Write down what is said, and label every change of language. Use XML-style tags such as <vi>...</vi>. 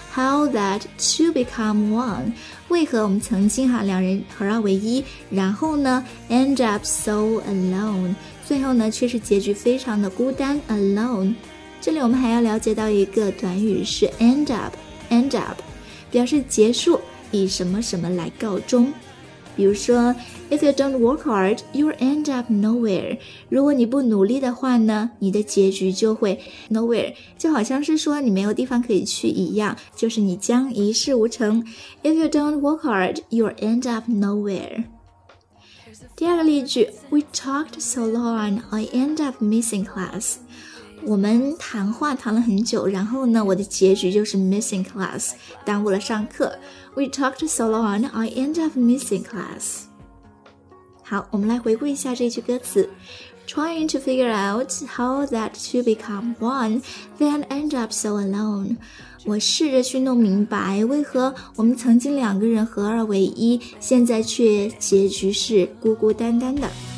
<en>How that two become one.</en> <zh>为何我们曾经哈两人合二为一，然后呢</zh> <en>end up so alone.</en> <zh>最后呢却是结局非常的孤单 alone. 这里我们还要了解到一个短语是 end up， 表示结束，以什么什么来告终。比如说</zh> <en>If you don't work hard, you'll end up nowhere.</en> <zh>如果你不努力的话呢，你的结局就会 nowhere， 就好像是说你没有地方可以去一样，就是你将一事无成。</zh> <en>If you don't work hard, you'll end up nowhere.</en> <zh>第二个例句</zh> <en>We talked so long, I end up missing class.</en> <zh>我们谈话谈了很久，然后呢我的结局就是</zh> <en>missing class，</en> <zh>耽误了上课。</zh> <en>We talked so long, I end up missing class.</en> <zh>好，我们来回顾一下这句歌词。</zh> <en>Trying to figure out how that two become one, then end up so alone.</en> <zh>我试着去弄明白为何我们曾经两个人合二为一，现在却结局是孤孤单单的。</zh>